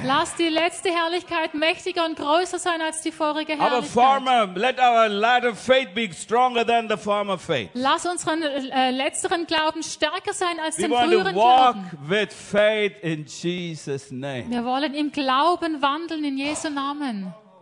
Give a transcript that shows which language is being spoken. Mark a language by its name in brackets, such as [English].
[German] Lass die letzte Herrlichkeit mächtiger und größer sein als die vorige Herrlichkeit. [English] Let our latter faith be stronger than the former faith. [German] Lass unseren letzteren Glauben stärker sein als den früheren Glauben. [English] We walk with faith in Jesus' name. [German] Wir wollen im Glauben wandeln in Jesu Namen.